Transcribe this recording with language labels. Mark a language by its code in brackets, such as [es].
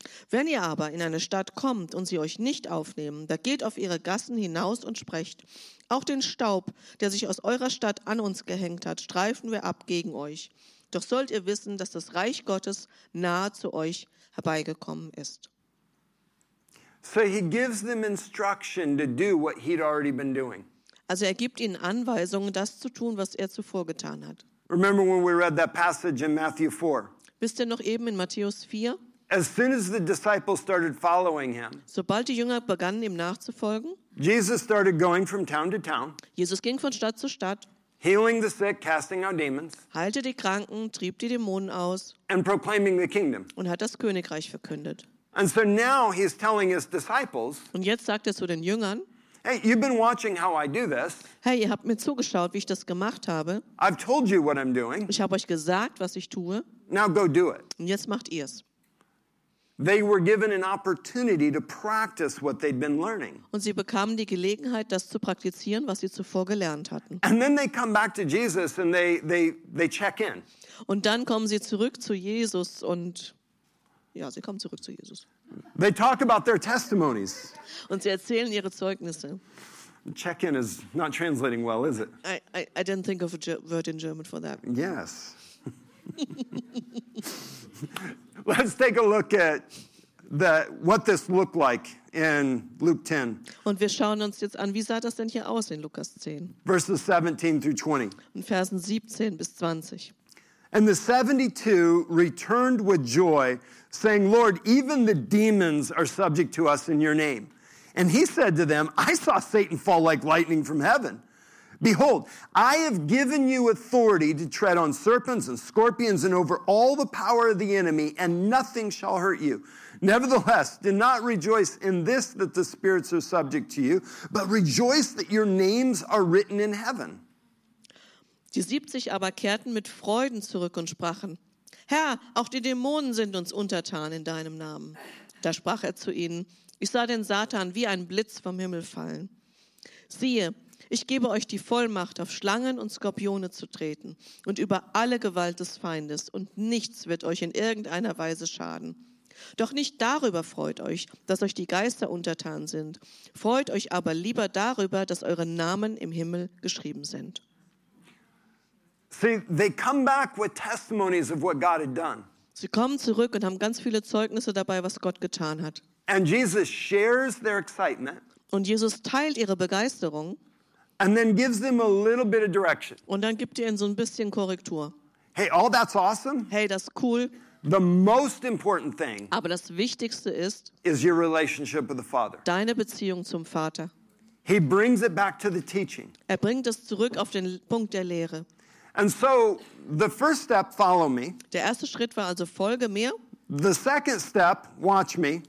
[de] Wenn ihr aber in eine Stadt kommt und sie euch nicht aufnehmen, da geht auf ihre Gassen hinaus und sprecht, auch den Staub, der sich aus eurer Stadt an uns gehängt hat, streifen wir ab gegen euch. Doch sollt ihr wissen, dass das Reich Gottes nahe zu euch herbeigekommen ist. [en] So he gives them instruction to do what he'd already been doing. [de] Also er gibt ihnen Anweisungen, das zu tun, was er zuvor getan hat. [en] Remember when we read that passage in Matthew 4? [de] Wisst ihr noch eben in Matthäus 4? [en] As soon as the disciples started following him. [de] Sobald die Jünger begannen ihm nachzufolgen. [en] Jesus started going from town to town. [de] Jesus ging von Stadt zu Stadt. [en] Healing the sick, casting out demons. [de] Heilte die Kranken, trieb die Dämonen aus. [en] And proclaiming the kingdom. [de] Und hat das Königreich verkündet. [en] And so now he's telling his disciples. [de] Und jetzt sagt er zu den Jüngern. [en] Hey, you've been watching how I do this. [de] Hey, ihr habt mir zugeschaut, wie ich das gemacht habe. [en] I've told you what I'm doing. [de] Ich habe euch gesagt, was ich tue. [en] Now go do it. [de] Und jetzt macht ihr's. [en] They were given an opportunity to practice what they'd been learning. [de] Und sie bekamen die Gelegenheit, das zu praktizieren, was sie zuvor gelernt hatten. [en] And then they come back to Jesus and they check in. [de] Und dann kommen sie zurück zu Jesus und ja, sie kommen zurück zu Jesus. [en] They talk about their testimonies. [de] Und sie erzählen ihre Zeugnisse. [en] Check in is not translating well, is it? I didn't think of a word in German for that. Yes. Let's take a look at what this looked like in Luke 10. [de] Und wir schauen uns jetzt an, wie sah das denn hier aus in Lukas 10? [en] Verses 17 through 20. [de] In Versen 17 bis 20. [en] And the 72 returned with joy, saying, Lord, even the demons are subject to us in your name. And he said to them, I saw Satan fall like lightning from heaven. Behold, I have given you authority to tread on serpents and scorpions and over all the power of the enemy, and nothing shall hurt you. Nevertheless, do not rejoice in this that the spirits are subject to you, but rejoice that your names are written in heaven. [de] Die 70 aber kehrten mit Freuden zurück und sprachen, Herr, auch die Dämonen sind uns untertan in deinem Namen. Da sprach er zu ihnen, ich sah den Satan wie ein Blitz vom Himmel fallen. Siehe, ich gebe euch die Vollmacht, auf Schlangen und Skorpione zu treten und über alle Gewalt des Feindes, und nichts wird euch in irgendeiner Weise schaden. Doch nicht darüber freut euch, dass euch die Geister untertan sind. Freut euch aber lieber darüber, dass eure Namen im Himmel geschrieben sind. [en] See, they come back with testimonies of what God had done. [de] Sie kommen zurück und haben ganz viele Zeugnisse dabei, was Gott getan hat. [en] And Jesus shares their excitement. [de] Und Jesus teilt ihre Begeisterung. [en] And then gives them a little bit of direction. [de] Und dann gibt er ihnen so ein bisschen Korrektur. [en] Hey, all that's awesome. [de] Hey, das ist cool. [en] The most important thing. [de] Aber das Wichtigste ist. [en] Is your relationship with the Father. [de] Deine Beziehung zum Vater. [en] He brings it back to the teaching. [de] Er bringt es zurück auf den Punkt der Lehre. [en] And so the first step, follow me. [de] Der erste Schritt war also, folge mir. [en] The second step, watch me.